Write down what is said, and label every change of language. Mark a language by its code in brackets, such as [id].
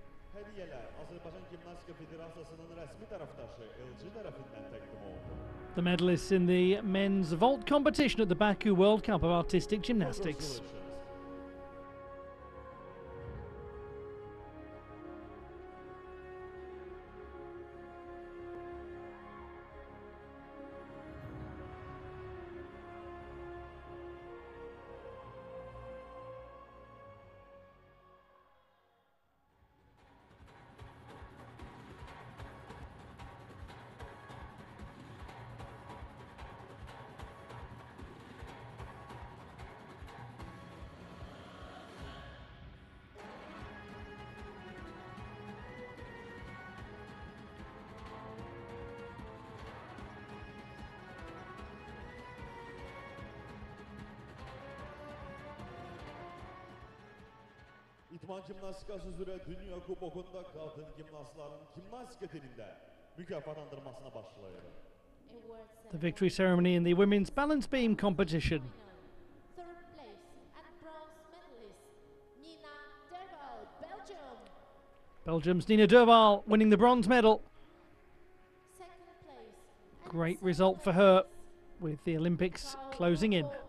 [az] Hədiyyələr Azərbaycan Gimnastika Federasiyasının rəsmi tərəfdaşı LG tərəfindən təqdim olundu. [en] The medalists in the men's vault competition at the Baku World Cup of Artistic Gymnastics. [tr] İdman Jimnastikası üzere Dünya Kupası'nda kadın jimnastların jimnastik eteninde mükafatlandırmasına başlayalım. [en] The victory ceremony in the women's balance beam competition. Third place and bronze medalist, Nina Derval, Belgium. Belgium's Nina Derval winning the bronze medal. Second place. Great result for her with the Olympics closing in.